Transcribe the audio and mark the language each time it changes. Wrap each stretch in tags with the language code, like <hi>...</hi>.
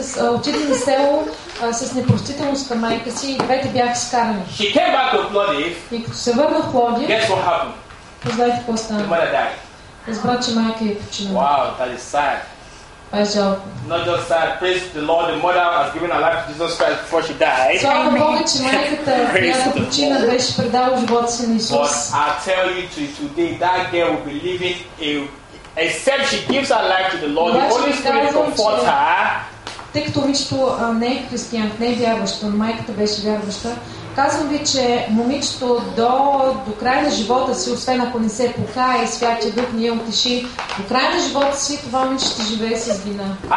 <bg>Отиде на село с непростителност към майка си и двете бяха скарани.</bg> <en>She came back to Plodiv.</en> <bg>И като се върна в Плодив,</bg> <en>guess what happened?</en> <bg>Познайте какво стана.</bg> <en>The mother died.</en> <bg>Разбра, че майка е починала.</bg> <en>Wow, that is sad. Not just sad, praise the Lord, the mother has given her life to Jesus Christ before she died.</en> <bg>Слава Богу, че майката, която почина, беше предала живота си на Исус.</bg> <en>But I tell you today, that girl will be living except she gives her life to the Lord. The Holy Spirit comforts her.</en> <bg>Тъй като момичето не е християнка, не е вярваща, но майката беше вярваща, казвам ви, че момичето до края на живота си, освен ако не се покая и Святия Дух не я утеши, до края на живота си това момиче ще живее с вина.</bg>